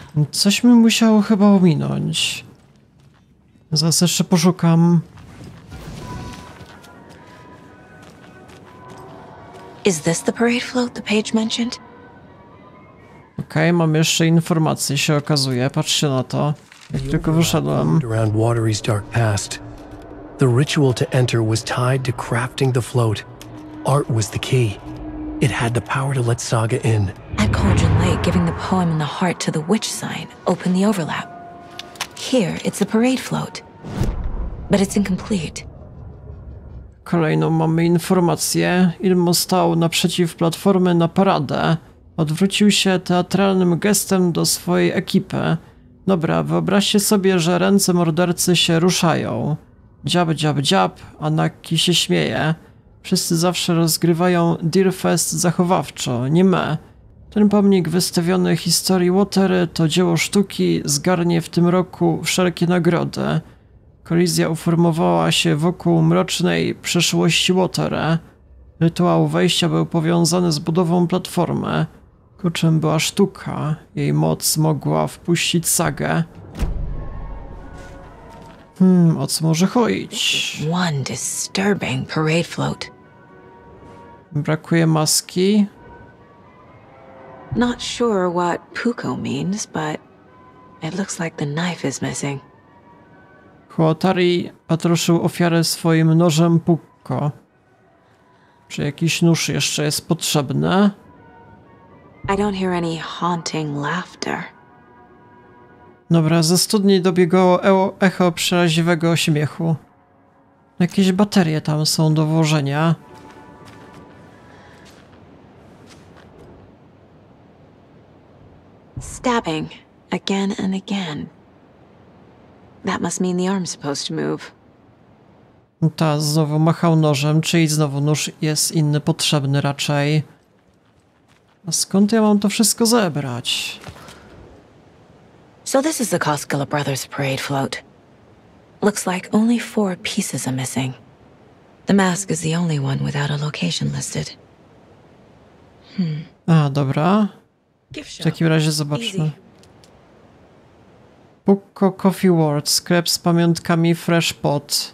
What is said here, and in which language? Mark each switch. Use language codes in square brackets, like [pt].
[pl] Coś mi musiało chyba ominąć. Zaraz jeszcze poszukam. [en] Is this the parade float the page mentioned? [pl] Okej, mam jeszcze informacje, się okazuje. Patrzcie na to. Jak tylko wyszedłem. [en] Around Watery's dark past. The ritual to enter was tied to crafting the float. Art was the key. It had the power to let Saga in. At Cauldron Lake, giving the poem and the heart to the witch sign opened the overlap. Here, it's the parade float. But it's incomplete. [pl] Kolejną mamy informację. Ilmo stał naprzeciw platformy na paradę. Odwrócił się teatralnym gestem do swojej ekipy. Dobra, wyobraźcie sobie, że ręce mordercy się ruszają. Dziab, dziab, dziab, a Naki się śmieje. Wszyscy zawsze rozgrywają Deerfest zachowawczo, nie me. Ten pomnik wystawiony historii Watery to dzieło sztuki, zgarnie w tym roku wszelkie nagrody. Kolizja uformowała się wokół mrocznej przeszłości Watery. Rytuał wejścia był powiązany z budową platformy. Kluczem była sztuka. Jej moc mogła wpuścić Sagę. O co może chodzić? [en] One disturbing parade float. [pl] Brakuje maski. [en] Not sure what Puko means, but it looks like the knife is missing. [pl] Huotari patroszył ofiarę swoim nożem Pukko. Czy jakiś nóż jeszcze jest potrzebny? [en] I don't hear any haunting laughter. [pl] Dobra, ze studni dobiegało echo przeraźliwego śmiechu. Jakieś baterie tam są do włożenia. [en] Stabbing again and again. That must mean the arm's supposed to move. [pl] Ta znowu machał nożem, czyli znowu nóż jest inny potrzebny raczej. A skąd ja mam to wszystko zebrać? [en] So this is the Koskela Brothers parade float. Looks like only four pieces are missing. The mask is the only one without a location listed. [pl] A, dobra. W takim razie zobaczmy. Pukko Coffee World, sklep z pamiątkami Fresh Pot.